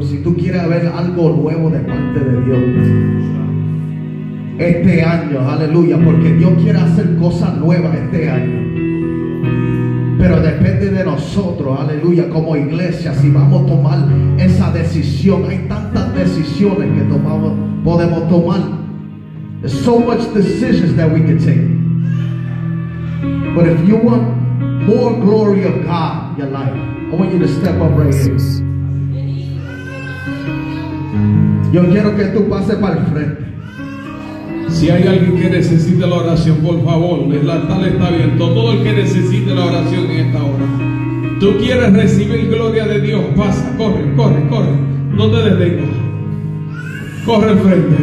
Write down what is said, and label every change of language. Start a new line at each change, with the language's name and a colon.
Spanish: Si tú quieres ver algo nuevo de parte de Dios este año, aleluya, porque Dios quiere hacer cosas nuevas este año. Pero depende de nosotros, aleluya, como iglesia, si vamos a tomar esa decisión. Hay tantas decisiones que podemos tomar.
English: There's so much decisions that we can take. But if you want more glory of God in your life, I want you to step up right here.
Spanish: Yo quiero que tú pases para el frente. Si hay alguien que necesite la oración, por favor, el altar está abierto. Todo el que necesite la oración en esta hora. Tú quieres recibir gloria de Dios, pasa, corre, corre, corre. No te detengas. Corre al frente.